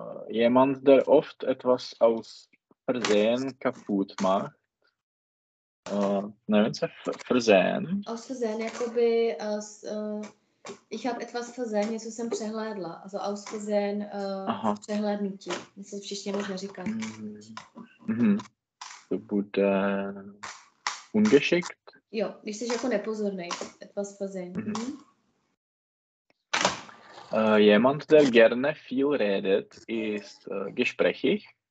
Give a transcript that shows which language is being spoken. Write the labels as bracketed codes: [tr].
[de] Jemand, der oft etwas aus Versehen kaputt macht, [cs] nevím, co je [de] versehen. Aus versehen, [cs] jakoby [de] aus, ich habe etwas versehen, [cs] něco jsem přehlédla. [de] Also aus versehen, [cs] přehlédnutí. Něco všichni možná říkat. To bude ungeschickt. Jo, když jsi jako nepozorný, [de] etwas versehen. Jemand, der gerne viel redet, ist gesprächig.